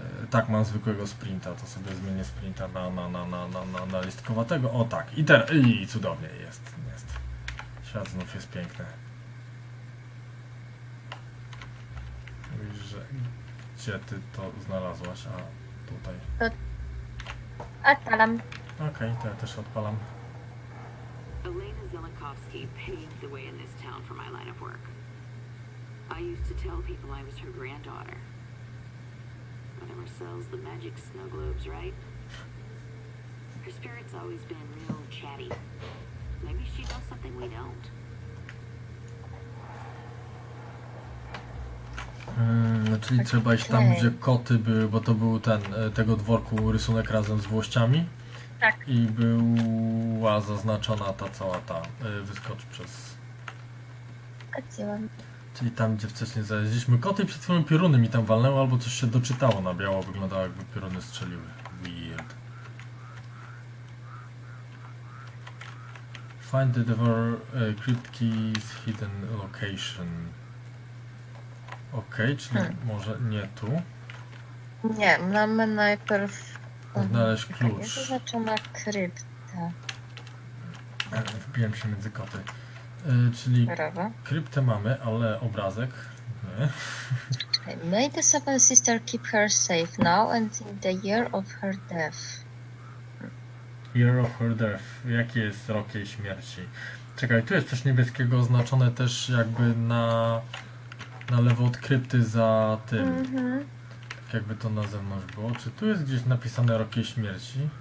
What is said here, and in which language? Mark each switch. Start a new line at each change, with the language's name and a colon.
Polish: Tak, mam zwykłego sprinta, to sobie zmienię sprinta na listkowatego. O tak, i teraz, i cudownie jest. Świat znów jest piękny. Mówisz, że gdzie ty to znalazłaś, a tutaj? To... Odpalam. Okej, to ja też odpalam.
English: Elena Zelenkovsky paved the way in this town for my line of work. I used to tell people I was her granddaughter. Whatever sells the magic snow globes, right? Her spirit's always been real chatty. Maybe she knows something we don't.
Polish: Czyli trzeba iść tam, gdzie koty były, bo to był ten tego dworku rysunek razem z włościami. Tak. I była zaznaczona ta cała ta wyskocz przez... Kociłam. Czyli tam, gdzie wcześniej znaleźliśmy koty, przed chwilą pioruny mi tam walnęły, albo coś się doczytało na biało, wyglądało jakby pioruny strzeliły. Weird.
English: Find the devour crypt key's hidden location.
Polish: Okej, okay, czyli może nie tu? Nie, mamy najpierw... Znaleźć klucz. Tak, jak to znaczy na kryptę? Wbiłem się między koty. Czyli brawo. Kryptę mamy, ale obrazek nie.
English: May the seven sister keep her safe now and in the year of her death. Year of her death.
Polish: Jaki jest rok jej śmierci? Czekaj, tu jest coś niebieskiego oznaczone też jakby na lewo od krypty za tym. Mm-hmm. Jakby to na zewnątrz było. Czy tu jest gdzieś napisane rok jej śmierci?